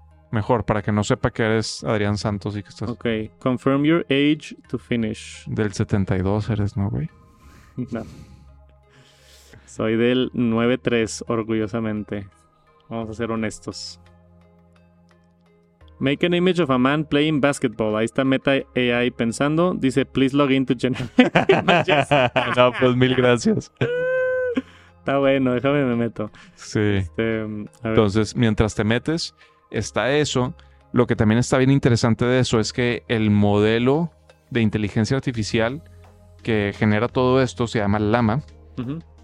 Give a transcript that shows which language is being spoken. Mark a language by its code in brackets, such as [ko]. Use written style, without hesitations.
[es] Mejor, para que no sepa que eres Adrián Santos y que estás. Ok. [en] Confirm your age to finish. [es] Del 72 eres, ¿no, güey? No. Soy del 93, orgullosamente. Vamos a ser honestos. [en] Make an image of a man playing basketball. [es] Ahí está Meta AI pensando. Dice, [en] please log in to generate images. [es] No, pues mil gracias. Está bueno, déjame me meto. Sí. A ver. Entonces, mientras te metes, está eso. Lo que también está bien interesante de eso es que el modelo de inteligencia artificial que genera todo esto se llama Llama. Uh-huh.